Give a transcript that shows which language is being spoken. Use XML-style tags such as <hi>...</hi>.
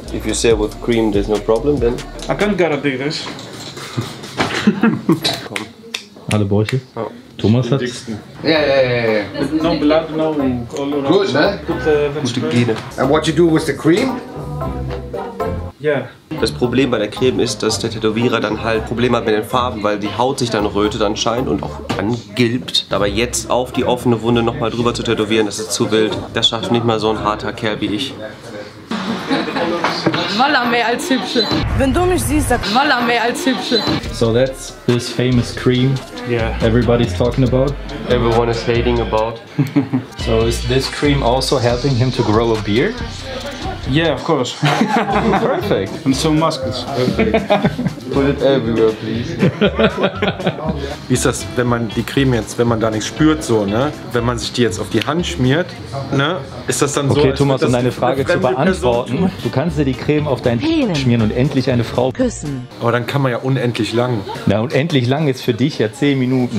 <en>If you say with cream, there's no problem, then... I can't guarantee this.</en> <de>Komm. Alle Bäuche? Oh. Thomas hat...</de> <en>Yeah. No blood, no... Good, huh?</en> <de>Gute Gene.</de> <en>And what you do with the cream? Yeah.</en> <de>Das Problem bei der Creme ist, dass der Tätowierer dann halt Probleme hat mit den Farben, weil die Haut sich dann rötet anscheinend und auch angilbt. Dabei jetzt auf die offene Wunde nochmal drüber zu tätowieren, das ist zu wild. Das schafft nicht mal so ein harter Kerl wie ich. Walla mehr als hübsche. Wenn du mich siehst, sag Walla mehr als hübsche.</de> <en>So that's this famous cream yeah. Everybody's talking about. Everyone is hating about. So is this cream also helping him to grow a beard? Yeah, of course. Perfect. And some muscles. Perfect. Put it everywhere, please.</en> <de>Wie ist das, wenn man die Creme jetzt, wenn man da nichts spürt, so, ne? Wenn man sich die jetzt auf die Hand schmiert, ne? Ist das dann okay, so? Okay, Thomas, um deine Frage zu beantworten, du kannst dir die Creme auf deinen Penis schmieren und endlich eine Frau küssen. Aber dann kann man ja unendlich lang. Na, unendlich lang ist für dich ja 10 Minuten.</de>